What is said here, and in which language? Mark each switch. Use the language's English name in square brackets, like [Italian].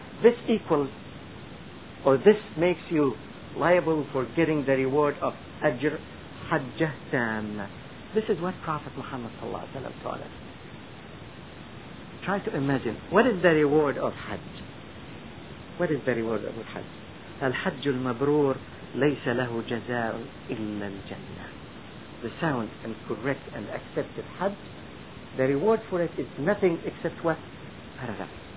[English] This equals, or this makes you liable for getting the reward of ajr hajjah tamma. This is what Prophet Muhammad sallallahu alaihi wasallam taught us. Try to imagine, what is the reward of Hajj? What is the reward of Hajj? [Arabic] الحج المبرور ليس له جزاء إلا الجنة. [English] The sound and correct and accepted Hajj, the reward for it is nothing except what? Paradise.